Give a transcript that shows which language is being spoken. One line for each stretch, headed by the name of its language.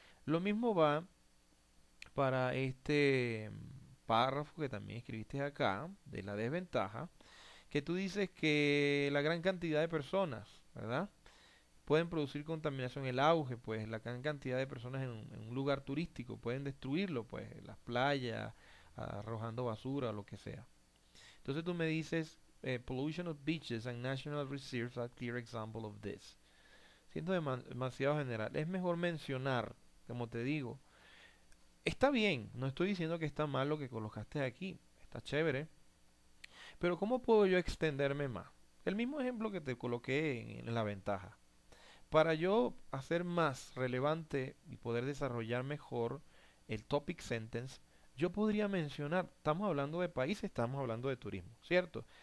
Spanish: Lo mismo va para este párrafo que también escribiste acá, de la desventaja, que tú dices que la gran cantidad de personas, ¿verdad? Pueden producir contaminación, el auge, pues la gran cantidad de personas en un lugar turístico, pueden destruirlo, pues las playas, arrojando basura, lo que sea. Entonces tú me dices,
English: pollution of beaches and national reserves are clear example of this.
Spanish: Siendo demasiado general, es mejor mencionar, como te digo, está bien, no estoy diciendo que está mal lo que colocaste aquí, está chévere, pero ¿cómo puedo yo extenderme más? El mismo ejemplo que te coloqué en la ventaja. Para yo hacer más relevante y poder desarrollar mejor el topic sentence, yo podría mencionar, estamos hablando de países, estamos hablando de turismo, ¿cierto?